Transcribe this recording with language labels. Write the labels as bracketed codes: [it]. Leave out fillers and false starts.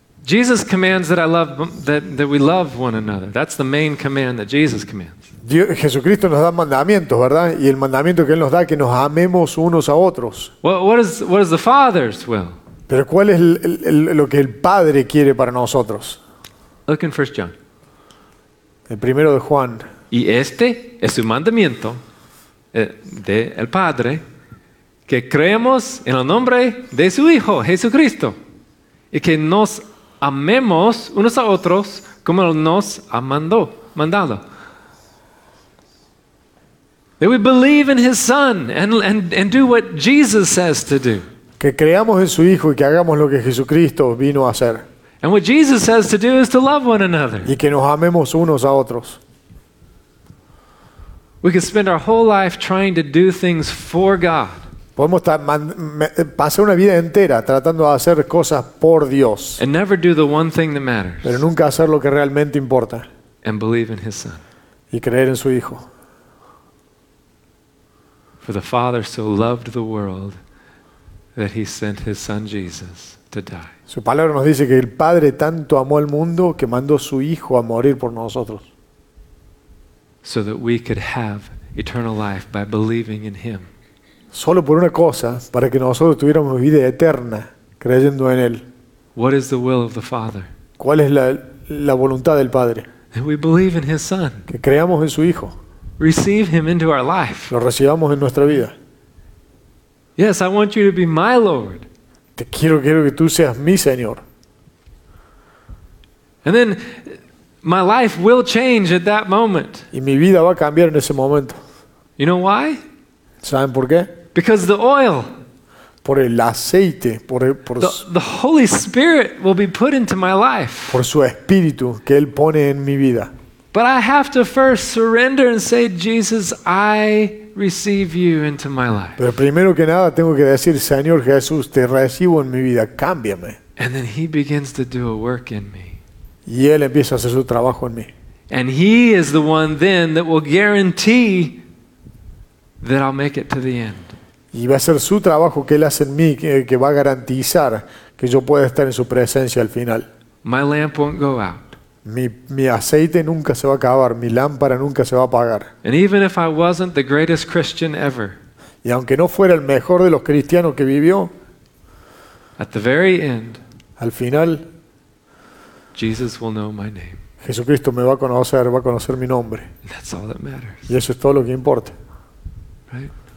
[en] Jesus commands that I love that we love one another. That's the main command that Jesus commands. [es] Dios, Jesucristo nos da mandamientos, ¿verdad? Y el mandamiento que él nos da que nos amemos unos a otros. [en] What is the Father's will? [es] Pero ¿cuál es lo que el Padre quiere para nosotros? [en] Look in 1 John. [es] El primero de Juan. Y este es su mandamiento de el Padre que creemos en el nombre de su Hijo Jesucristo y que nos amemos unos a otros como nos ha mandado. [en] That we believe in His Son and do what Jesus says to do. [es] Que creamos en su Hijo y que hagamos lo que Jesucristo vino a hacer. [en] And what Jesus says to do is to love one another. [es] Y que nos amemos unos a otros. [en] We could spend our whole life trying to do things for God. [es] Podemos pasar una vida entera tratando de hacer cosas por Dios. [en] And never do the one thing that matters. [es] Pero nunca hacer lo que realmente importa. [en] And believe in His Son. [es] Y creer en su Hijo. [en] For the Father so loved the world that He sent His Son Jesus to die. [es] Su palabra nos dice que el Padre tanto amó al mundo que mandó su Hijo a morir por nosotros. [en] So that we could have eternal life by believing in Him. [es] Solo por una cosa, para que nosotros tuviéramos vida eterna creyendo en Él. [en] What is the will of the Father? [es] ¿Cuál es la voluntad del Padre? [en] That we believe in His Son. [es] Que creamos en su Hijo. [en] Receive Him into our life. [es] Lo recibamos en nuestra vida. [en] Yes, I want you to be my Lord. [es] Te quiero que tú seas mi Señor. [en] And then my life will change at that moment. [es] Y mi vida va a cambiar en ese momento. [en] You know why? [es] ¿Saben por qué? [en] Because the oil. [es] Por el aceite, por [en] the Holy Spirit will be put into my life. [es] Por su espíritu que él pone en mi vida. [en] But I have to first surrender and say, Jesus, I receive you into my life. [es] Pero primero que nada tengo que decir, Señor Jesús, te recibo en mi vida, cámbiame. [en] And then He begins to do a work in me. [es] Y él empieza a hacer su trabajo en mí. [en] And He is the one then that will guarantee that I'll make it to the end. [es] Y va a ser su trabajo que él hace en mí que va a garantizar que yo pueda estar en su presencia al final. [en] My lamp won't go out. [es] Mi aceite nunca se va a acabar, mi lámpara nunca se va a apagar. [en] And even if I wasn't the greatest Christian ever. [es] Y aunque no fuera el mejor de los cristianos que vivió. [en] At the very end. [es] Al final. [en] Jesus will know my name. [es] Jesucristo me va a conocer mi nombre. [en] That's all that matters. [es] Y eso es todo lo que importa. [en] Right?